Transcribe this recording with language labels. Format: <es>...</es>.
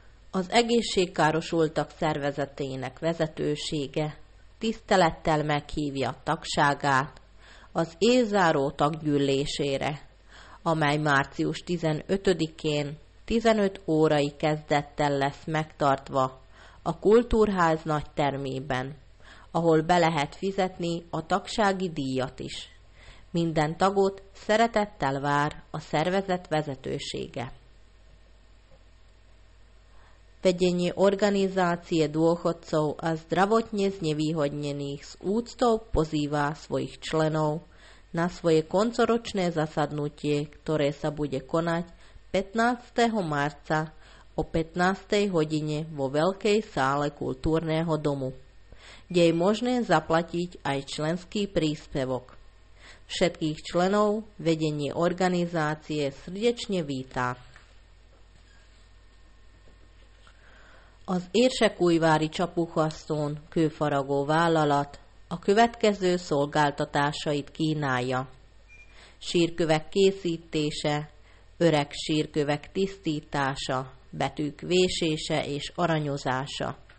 <hu>Az egészségkárosultak szervezetének vezetősége tisztelettel meghívja a tagságát az évzáró taggyűlésére, amely március 15-én 15 órai kezdettel lesz megtartva a Kultúrház nagy termében, ahol be lehet fizetni a tagsági díjat is. Minden tagot szeretettel vár a szervezet vezetősége.</hu> <sk>Vedenie organizácie dôchodcov a zdravotne znevýhodnených s úctou pozýva svojich členov na svoje koncoročné zasadnutie, ktoré sa bude konať 15. marca o 15. hodine vo Veľkej sále kultúrneho domu, kde je možné zaplatiť aj členský príspevok. Všetkých členov vedenie organizácie srdečne vítá.</sk> <hu>Az érsekújvári csapuhasztón kőfaragó vállalat a következő szolgáltatásait kínálja. Sírkövek készítése, öreg sírkövek tisztítása, betűk vésése és aranyozása.</hu>